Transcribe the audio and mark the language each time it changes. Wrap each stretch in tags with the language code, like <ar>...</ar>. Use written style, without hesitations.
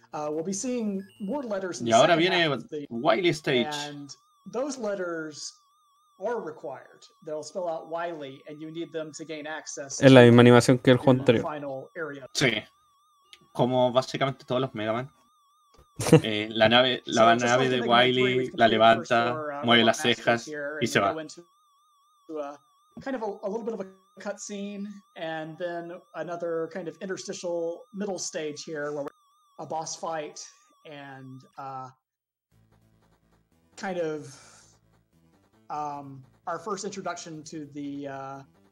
<en>We'll be seeing more letters in the second half.</en> <es>Y ahora viene Wily stage.</es> <en>And those letters are required. They'll spell out Wily, and you need them to gain access.</en> <es>Es la misma animación que el juego anterior. Sí. Como básicamente todos los Mega Man. la nave de Wily la levanta, mueve las cejas y se va.</es> <en>Kind of a little bit of a cutscene, and then another kind of interstitial middle stage here where we're a boss fight and kind of our first introduction to the</en>